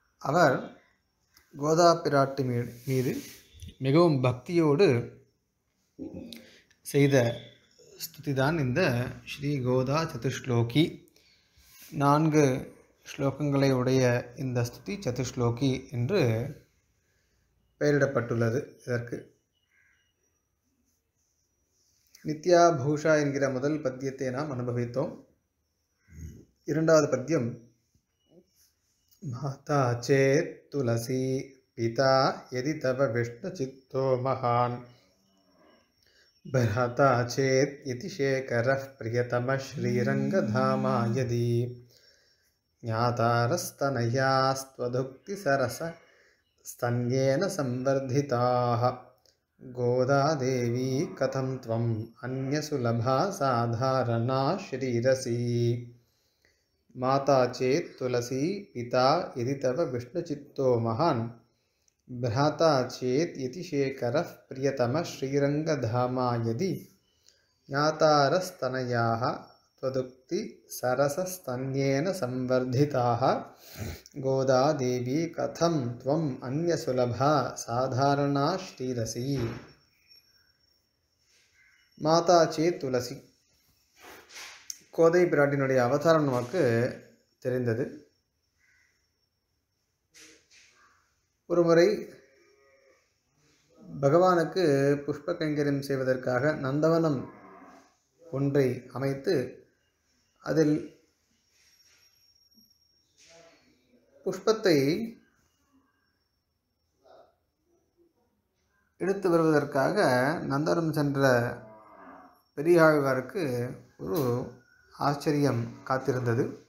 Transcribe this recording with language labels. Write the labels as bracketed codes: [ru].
[ta] அவர் கோதாபிராட்டி மீது மிகவும் பக்தியோடு செய்த ஸ்துதிதான் இந்த ஸ்ரீ கோதா சதுஷ்லோகி. நான்கு ஸ்லோகங்களை உடைய இந்த ஸ்துதி சதுஷ்லோகி என்று பெயரிடப்பட்டுள்ளது. இதற்கு நித்யா பூஷா என்கிற முதல் பத்தியத்தை நாம் அனுபவித்தோம். [sa] இரண்டாவது பத்தியம், மாதா சே துளசி பிதா எதி தவ விஷ்ணு சித்தோ மகான் भ्राता चेत् इति शेखरः प्रियतमश्रीरङ्गधामाय यदि ज्ञातारस्तनयास्त्वदुक्तिसरसस्तन्येन संवर्धिताः गोदादेवी कथं त्वम् अन्यसुलभा साधारणा श्रीरसि। माता चेत् तुलसी, पिता यदि तव विष्णुचित्तो महान्, भ्राता चेत् इति शेखरः प्रियतमश्रीरङ्गधामायदि ज्ञातारस्तनयाः त्वदुक्तिसरसस्तन्येन संवर्धिताः गोदादेवी कथं त्वम् अन्यसुलभा साधारणा श्रीरसि। माता चेत् तुलसी, [ta] கோதை பிராட்டினுடைய அவதாரம் நமக்கு தெரிந்தது. ஒருமுறை பகவானுக்கு புஷ்ப கைங்கரியம் செய்வதற்காக நந்தவனம் ஒன்றை அமைத்து அதில் புஷ்பத்தை எடுத்து வருவதற்காக நந்தவனம் சென்ற பெரியாழ்வாருக்கு ஒரு ஆச்சரியம் காத்திருந்தது.